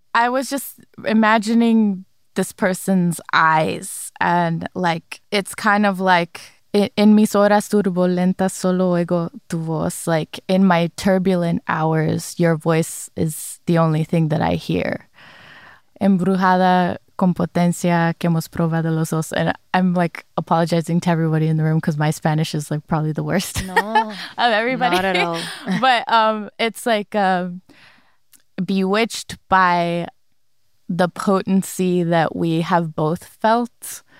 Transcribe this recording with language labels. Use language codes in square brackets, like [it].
[en] I was just imagining this person's eyes, and like, it's kind of like, [es] en mis horas turbulentas solo oigo tu voz, [en] like, in my turbulent hours, your voice is the only thing that I hear. [es] Embrujada con potencia que hemos probado los dos. [en] And I'm like apologizing to everybody in the room because my Spanish is like probably the worst. No, of everybody. Not at all. But it's like, bewitched by the potency that we have both felt.